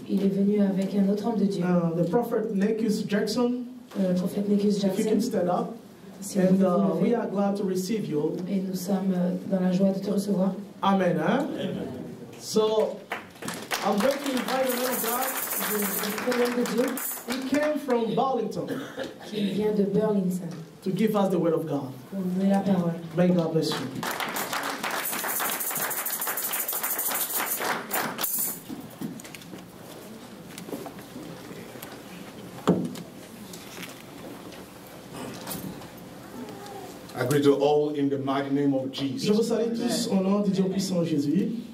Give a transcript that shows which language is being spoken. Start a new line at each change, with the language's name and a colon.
French: Il est venu avec un autre homme de Dieu.
English: The prophet Nekus Jackson.
French: Le prophète Nekus Jackson.
English: If you can stand up.
French: Si
English: and we are glad to receive you.
French: Et nous sommes dans la joie de te recevoir. Amen. Hein? Amen.
English: So, I'm going to invite the man of God, the man of God, He came from Burlington.
French: Il vient de Burlington.
English: To give us the word of God.
French: Pour nous donner la parole.
English: May God bless you. I greet you all in the mighty name of Jesus.
French: Je vous salue tous au nom de Dieu puissant Jésus.